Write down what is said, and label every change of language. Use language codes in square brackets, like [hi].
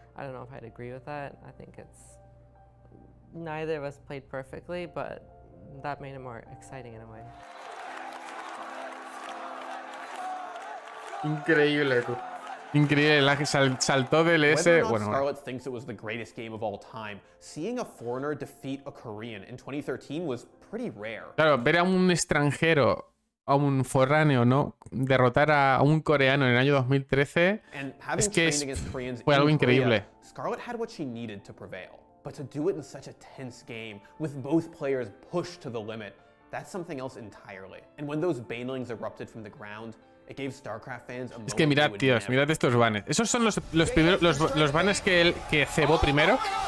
[en] I don't know if I'd agree with that. I think it's... Neither of us played perfectly, but that made it more exciting in a way. [es] Increíble, tú. Increíble, la que saltó del S. Bueno, [en] Scarlett thinks it was the greatest game of all time. Seeing a foreigner defeat a Korean in 2013 was pretty rare. [es] Claro, ver a un extranjero, a un foráneo, ¿no? Derrotar a un coreano en el año 2013 es que fue algo increíble. [en] Scarlett had what she needed to prevail, but to do it in such a tense game with both players pushed to the limit, that's something else entirely. And when those banelings erupted from the ground, it gave StarCraft fans a... [es] Es que mirad, tíos, mirad estos banes. Esos son los primeros, los banes que él que cebó primero.